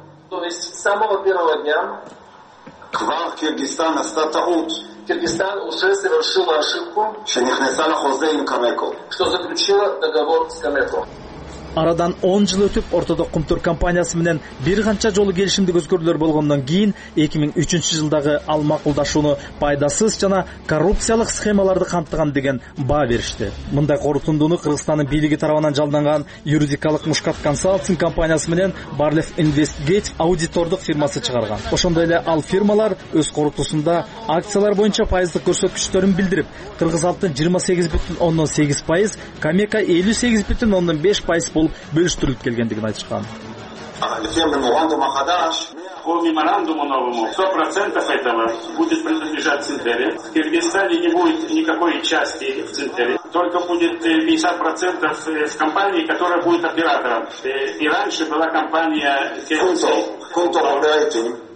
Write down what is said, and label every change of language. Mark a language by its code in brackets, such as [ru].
[ru] То есть с самого первого дня к вам в Киргизстан остатаут. Киргизстан уже совершил ошибку, что заключила договор с Камеком. [ky] Арадан 10 жыл өтүп, ортодок кумтур компаниясы менен бир канча жолу келишимдик өзгөрүүлөр болгондон кийин 2003-жылдагы ал макулдашууну пайдасыз жана коррупциялык схемаларды камтыган деген баа беришти. Мындай корутундуну Кыргызстандын бийлиги тарабынан жалданган юридикалык Мушкат консалтинг компаниясы менен Barlev Investigate аудитордук фирмасы чыгарган. Ошондой эле ал фирмалар өз корутусунда акциялар боюнча пайыздык көрсөткүчтөрүн билдирип, Кыргыз алтын 28.8%, Камека 58.5% болуп бөлүштүрүлүп келгендигин айтышкан. [ru] По меморандуму новому 100% этого будет принадлежать Центере. В Киргизстане не будет никакой части в Центере. Только будет 50% в компании, которая будет оператором. И раньше была компания Кунтур Оперейтинг.